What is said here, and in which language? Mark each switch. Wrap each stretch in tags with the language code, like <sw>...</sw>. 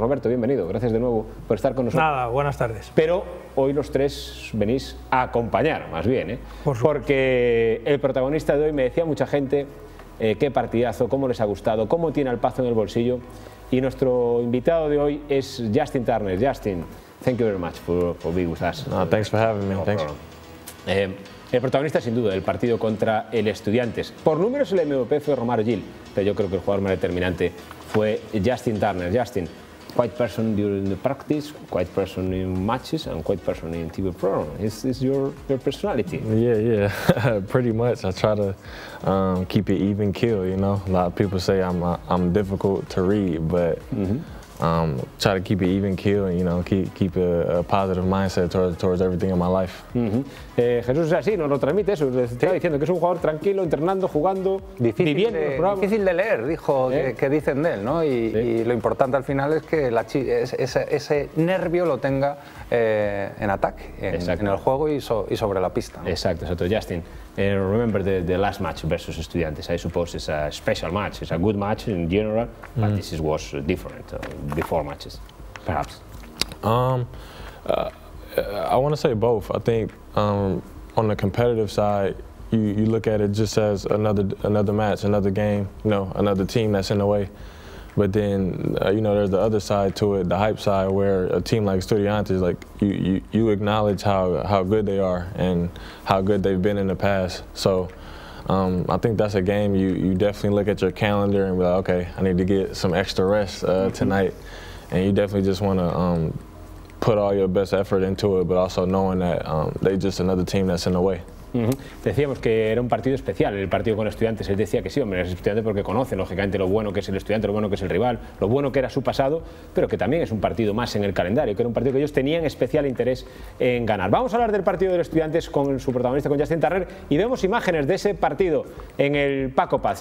<es>Roberto, bienvenido. Gracias de nuevo por estar con nosotros. Nada, buenas tardes. Pero hoy los tres venís a acompañar, más bien, ¿eh? Por supuesto. Porque el protagonista de hoy me decía mucha gente qué partidazo, cómo les ha gustado, cómo tiene al Pazo en el bolsillo. Y nuestro invitado de hoy es Justin Turner.</es> <en>Justin, thank you very much for being with us. No, thanks for having me. No, thanks.</en> <es>El protagonista, sin duda, del partido contra el Estudiantes. Por números, el MVP fue Romario Gil, pero yo creo que el jugador más determinante fue Justin Turner.</es> <en>Justin, quiet person during the practice, quiet person in matches, and quiet person in TV program. Is your personality? Yeah, yeah, pretty much. I try to keep it even keel, you know. A lot of people say I'm difficult to read, but try to keep it even keel, you know, keep a positive mindset towards everything in my life.</en> <es>Jesús es así, nos lo transmite eso. Está diciendo que es un jugador tranquilo, entrenando, jugando, viviendo los programas. Difícil de leer, dijo, que dicen de él, ¿no? Y lo importante al final es que ese nervio lo tenga en ataque, en el juego y sobre la pista, ¿no? Exacto, exacto.</es> <en>Justin, remember the last match versus Estudiantes. I suppose it's a special match, it's a good match in general, but this is was different before matches, perhaps. I want to say both. I think on the competitive side, you look at it just as another match, another game, you know, another team that's in the way. But then, you know, there's the other side to it, the hype side, where a team like Estudiantes, like you acknowledge how good they are and how good they've been in the past. So I think that's a game you definitely look at your calendar and be like, okay, I need to get some extra rest tonight, and you definitely just want to put all your best effort into it, but also knowing that they're just another team that's in the way.</en> <es>Decíamos que era un partido especial, el partido con Estudiantes. Él decía que sí, hombre, es Estudiantes porque conoce lógicamente lo bueno que es el Estudiante, lo bueno que es el rival, lo bueno que era su pasado, pero que también es un partido más en el calendario, que era un partido que ellos tenían especial interés en ganar. Vamos a hablar del partido de los Estudiantes con su protagonista, con Justin Turner, y vemos imágenes de ese partido en el Paco Paz.</es>